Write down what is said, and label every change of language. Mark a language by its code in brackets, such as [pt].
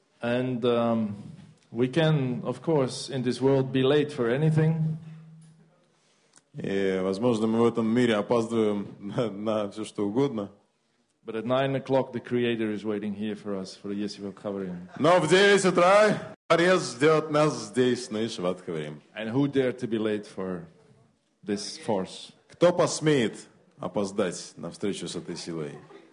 [en] And we can, of course, in this world be late for anything. [ru] И, возможно, мы в этом мире опаздываем на все, что угодно. [en] But at 9 o'clock, the Creator is waiting here for us for the Yeshiva Kavarim. [ru] Но в 9 утра Творец ждет нас здесь на Yeshivat Kavarim. [en] And who dare to be late for this force? [ru] Кто посмеет опоздать на встречу с этой силой?